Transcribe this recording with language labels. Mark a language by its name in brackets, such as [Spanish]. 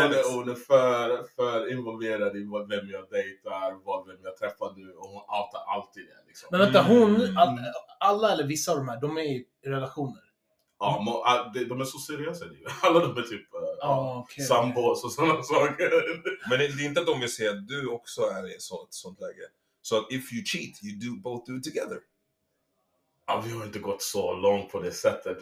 [Swedish] Hon är för involverad i vem jag dejtar, vem jag träffar nu, och hon outar alltid det. Liksom. Men vänta, hon, alla eller vissa av de här, de är i relationer. Ja, de är så seriösa. Alla de är typ sambos och sådana saker. Men det är inte att de vill säga att du också är i ett sånt läge. [English] Så so if you cheat, you do both do it together. [Swedish] Ja, vi har inte gått så långt på det sättet.